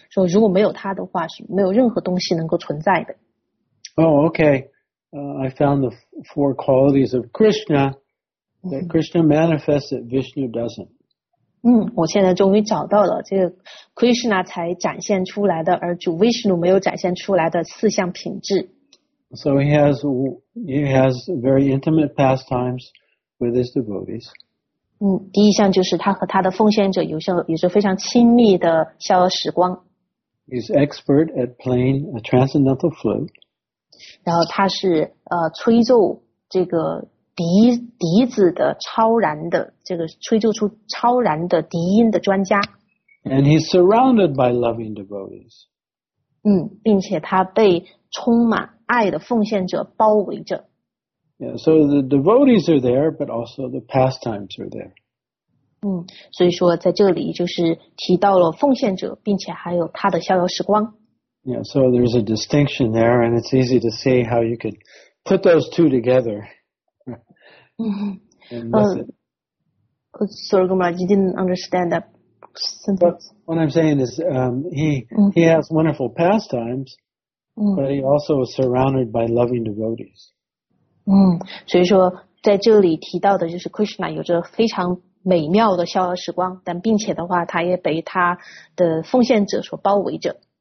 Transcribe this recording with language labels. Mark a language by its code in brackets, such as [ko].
[zh] 说如果没有他的话，是没有任何东西能够存在的。 [en] Oh, okay. I found the four qualities of Krishna that Krishna manifests that Vishnu doesn't. [zh] 我现在终于找到了这个 Krishna 才展现出来的，而主 Vishnu 没有展现出来的四项品质。 [en] So he has very intimate pastimes with his devotees. [zh] 第一项就是他和他的奉献者有着非常亲密的逍遥时光。 [en] He's expert at playing a transcendental flute. [zh] 然后他是吹奏这个笛子的超然的这个吹奏出超然的笛音的专家。 [en] And he's surrounded by loving devotees. [zh] 并且他被充满爱的奉献者包围着。 [en] Yeah, so the devotees are there, but also the pastimes are there. [zh] 所以说在这里就是提到了奉献者，并且还有他的逍遥时光。 [en] Yeah, so there's a distinction there, and it's easy to see how you could put those two together. Sorry, Gumar, you didn't understand that sentence. What I'm saying is, he has wonderful pastimes, but he also is surrounded by loving devotees. [zh] 所以说在这里提到的就是 Krishna 有着非常美妙的逍遥时光，但并且的话，他也被他的奉献者所包围着。